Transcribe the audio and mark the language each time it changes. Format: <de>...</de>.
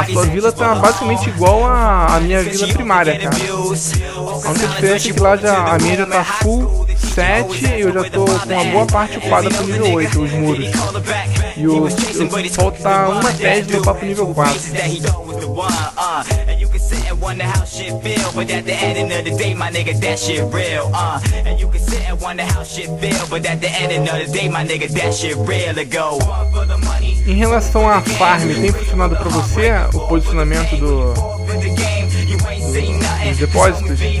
<pt>A sua vila tá basicamente igual a minha vila primária, cara. A única diferença é que lá já, a minha já tá full 7 e eu já tô com uma boa parte upada pro nível 8, os muros. E o falta uma 10 do papo nível 4.</pt> <en>one, and you can sit and wonder how shit feel, but at the end of the day, my nigga, that shit real, and you can sit and wonder how shit feel, but at the end of the day, my nigga, that shit real, ago.</en> <pt>Em relação à farm, tem funcionado pra você o posicionamento do dos depósitos?</pt>